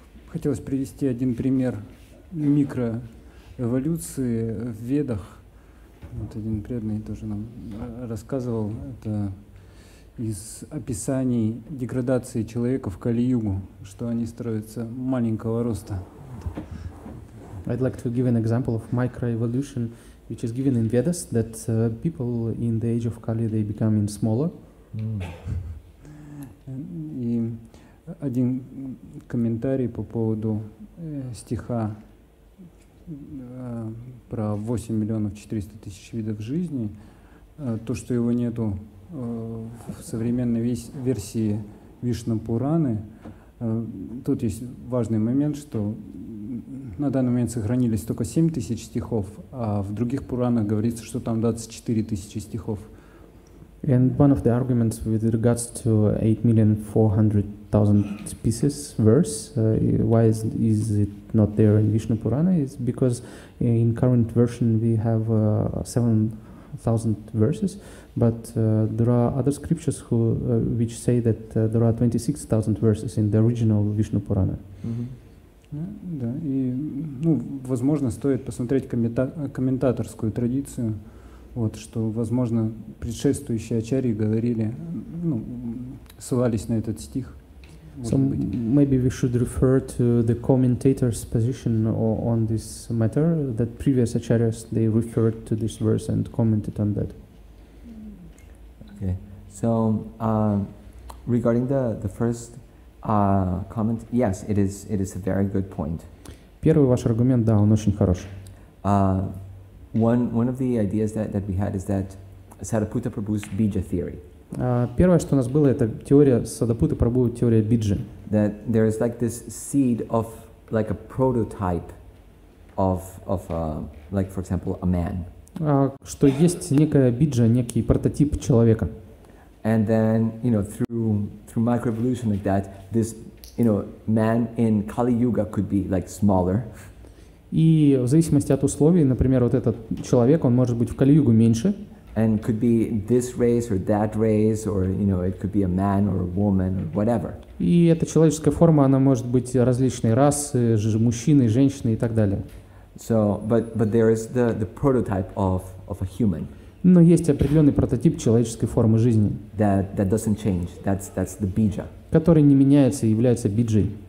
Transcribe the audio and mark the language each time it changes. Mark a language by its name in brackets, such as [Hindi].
[Russian] Хотелось привести один пример микроэволюции в Ведах. Вот один преданный тоже нам рассказывал это. Из описаний деградации человека в Кали-Югу, что они строятся маленького роста. [English] I'd like to give an example of microevolution, which is given in Vedas, that people in the age of Kali, they become in smaller. [Russian] И один комментарий по поводу стиха про 8 400 000 видов жизни, то, что его нету в современной версии Вишна Пураны. Тут есть важный момент, что на данный момент сохранились только 7 тысяч стихов, а в других Пуранах говорится, что там 24 тысячи стихов. [English] And one of the arguments with regards to 8,400,000 pieces verse, why is it not there in Vishnu Purana? Is because in current version we have 7,000 verses, but there are other scriptures who which say that there are 26,000 verses in the original Vishnu Purana. [Russian] Да, и ну, возможно, стоит посмотреть комментаторскую традицию. Вот, что, возможно, предшествующие ачарьи говорили, ну, ссылались на этот стих. [English] So maybe we should refer to the commentator's position on this matter, that previous acharyas, they referred to this verse and commented on that. Okay. So, regarding the first comment, yes, it is a very good point. [Russian] Первый ваш аргумент, да, он очень хорош. [English] One of the ideas that we had is that Sataputta Prabhu's Bija theory. [Russian] Первое, что у нас было, это теория Сатапутты Прабху, теория Биджи. [English] That there is like this seed of like a prototype of like for example a man. [Russian] Что есть некая биджа, некий прототип человека. [English] And then, you know, through microevolution like that, this, you know, man in Kali Yuga could be like smaller. [Russian] И в зависимости от условий, например, вот этот человек, он может быть в Кали-Югу меньше. [English] And could be this race or that race, or, you know, it could be a man or a woman or whatever. [Russian] И эта человеческая форма, она может быть различной расы, мужчины, женщины и так далее. [English] So, but there is the prototype of a human. [Russian] Но есть определенный прототип человеческой формы жизни. [English] That doesn't change. That's the bija. [Russian] Который не меняется и является биджей.